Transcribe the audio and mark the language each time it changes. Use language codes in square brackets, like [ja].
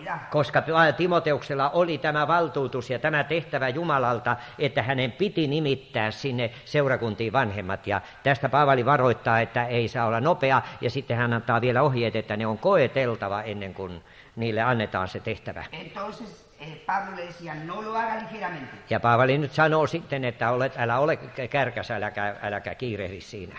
[fi] Koska Timoteuksella oli tämä valtuutus ja tämä tehtävä Jumalalta, että hänen piti nimittää sinne seurakuntiin vanhemmat. Ja tästä Paavali varoittaa, että ei saa olla nopea, ja sitten hän antaa vielä ohjeet, että ne on koeteltava ennen kuin niille annetaan se tehtävä. [es] Pablo le decía, no lo haga ligeramente. [fi] Ja Paavali nyt sanoo sitten, että älä ole kärkäs, äläkä kiirehdi siinä.